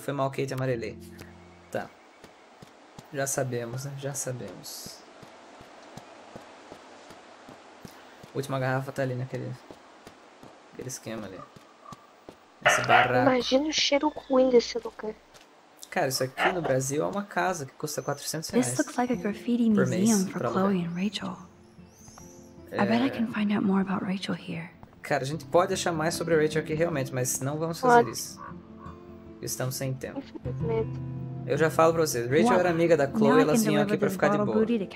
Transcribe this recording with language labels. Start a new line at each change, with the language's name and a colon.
Portuguese: Foi mal, Kate, amarelei. Tá. Já sabemos, né? Já sabemos. Última garrafa tá ali, né? Aquele esquema ali. Esse barraco. Imagina o cheiro ruim desse lugar. Cara, isso aqui no Brasil é uma casa que custa R$400.
English: This looks like a graffiti museum for Chloe and Rachel. I bet I can find out more about Rachel here.
Portuguese: Cara, a gente pode achar mais sobre a Rachel aqui realmente, mas não vamos fazer isso. Estamos sem tempo. Eu já falo pra vocês, Rachel era amiga da Chloe, elas vinham aqui pra ficar de boa.